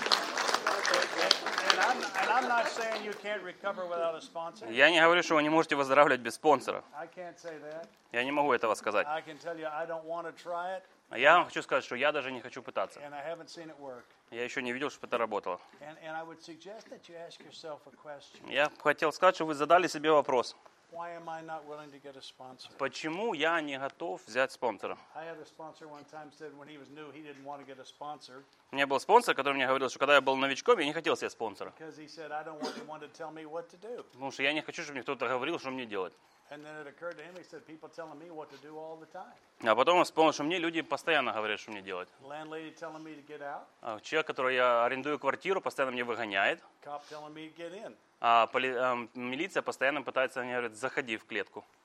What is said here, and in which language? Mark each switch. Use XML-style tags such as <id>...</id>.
<en>I'm not saying you can't recover without a sponsor.</en> <ru>Я не говорю, что вы не можете выздоравливать без спонсора.</ru> <en>I can't say that.</en> <ru>Я не могу этого сказать.</ru> <en>I can tell you, I don't want to try it.</en> <ru>Я вам хочу сказать, что я даже не хочу пытаться.</ru> <en>And I haven't seen it work.</en> <ru>Я еще не видел, чтобы это работало.</ru> <en>And I would suggest that you ask yourself a question.</en> <ru>Я хотел сказать, что вы задали себе вопрос.</ru> <en>Why am I not willing to get a sponsor?</en> <ru>Почему я не готов взять спонсора?</ru> <en>I had a sponsor one time said when he was new he didn't want to get a sponsor.</en> <ru>У меня был спонсор, который мне говорил, что когда я был новичком, я не хотел себе спонсора.</ru> <en>Because he said I don't want anyone to tell me what to do.</en> <ru>Потому что я не хочу, чтобы мне кто-то говорил, что мне делать.</ru> <en>And then it occurred to him, he said, people telling me what to do all the time.</en> <ru>А потом он вспомнил, что мне люди постоянно говорят, что мне делать.</ru> <en>Landlady telling me to get out.</en> <ru>А человек, который я арендую квартиру, постоянно мне выгоняет.</ru> <en>Cop telling me to get in.</en> <ru>А милиция постоянно пытается, они говорят, заходи в клетку.</ru>